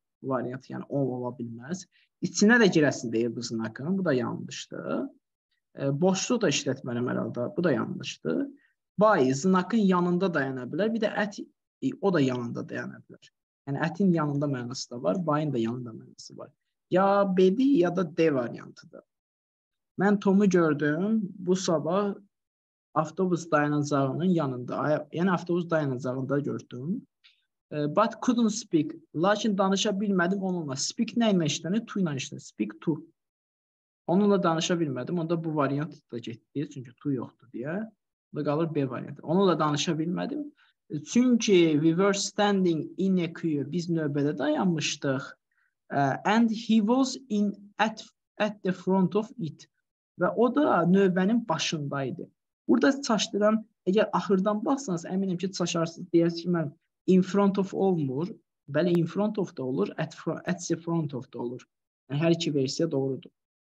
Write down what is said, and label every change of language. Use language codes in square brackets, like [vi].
[az] Variant, yəni, o ola bilməz. İçinə də girəsin deyil bu znakın, bu da yanlışdır. Boşluğu da işlətmərəm əralda, bu da yanlışdır. Bay, znakın yanında dayana bilər. Bir də ət, o da yanında dayana bilər. Yəni, ətin yanında mənası da var, bayın da yanında mənası var. Ya bedi, ya da D variantıdır. Mən Tom'u gördüm bu sabah avtobus dayanacağının yanında. Yəni, avtobus dayanacağında gördüm. [en] But couldn't speak. [az] Lakin danışa bilmədim onunla. Speak nə ilə işləni? To ilə işləni. [en] Speak to. [az] Onunla danışa bilmədim. Onda bu variant da getdi. Çünki to yoxdur deyə. Bu qalır B variantı. Onunla danışa bilmədim. Çünkü [en] we were standing in a queue. [az] Biz növbədə dayanmışdıq. [en] And he was in at the front of it. [az] Və o da növbənin başındaydı. Burada çaşdıran, əgər axırdan baxsanız, əminim ki, çaşarsınız. Deyəsiz ki, mən [en] in front of [az] olmur. Bəli, [en] in front of [az] da olur, [en] at the front of [az] da olur. Yəni, hər iki versiya doğrudur.